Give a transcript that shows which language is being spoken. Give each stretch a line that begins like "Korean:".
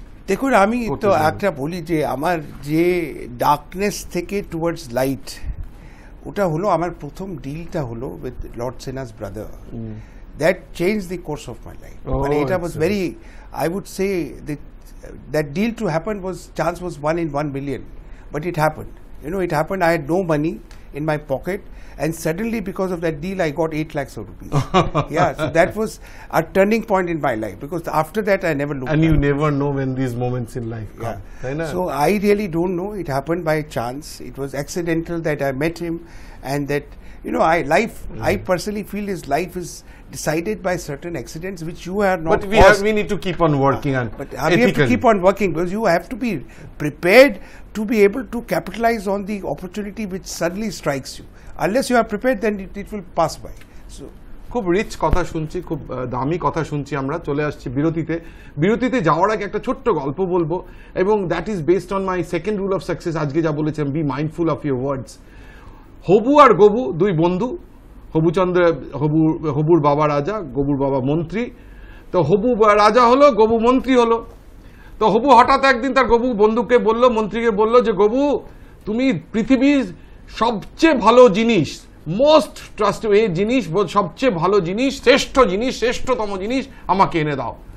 Bangla: দেখুন আমি তো একটা বলি যে আমার যে ডার্কনেস থেকে টুয়ার্ডস লাইট, ওটা হলো আমার প্রথম ডিলটা হলো
English: With lord Sena's brother, that change the course of my life, মানে এটা was very I would say that deal to happen was chance was one in one million, but it happened, you know it happened, I had no money in my pocket and suddenly because of that deal I got 8 lakhs of rupees, yeah so that was a turning point in my life, because after that I never look, you never know when this moments in life come, so I really don't know, it happened by chance, it was accidental that I met him and that you know I life I personally feel is life is decided by certain accidents which you are not but we caused. Have we need to keep on working on but we have to keep on working because you have to be prepared to be able to capitalize on the opportunity which suddenly strikes you, unless you are prepared then it will pass by, so
Bangla: খুব rich কথা শুনছি, খুব দামি কথা শুনছি আমরা, চলে আসছি বিরতিতে, বিরতিতে যাওয়ার আগে একটা ছোট্ট গল্প বলবো এবং
English: that is based on my second rule of success,
Bangla: আজকে যা বলেছিলাম
English: be mindful of your words,
Bangla: হবু আর গবু দুই বন্ধু, হবুচন্দ্র হবুর বাবা রাজা, গবুর বাবা মন্ত্রী, তো হবু রাজা হলো গবু মন্ত্রী হলো, তো হবু হঠাৎ একদিন তার গবু বন্ধুকে বলল মন্ত্রীকে বলল যে গবু তুমি পৃথিবীর সবচেয়ে ভালো জিনিস মোস্ট ট্রাস্ট এই জিনিস সবচেয়ে ভালো জিনিস শ্রেষ্ঠ জিনিস শ্রেষ্ঠতম জিনিস আমাকে এনে দাও,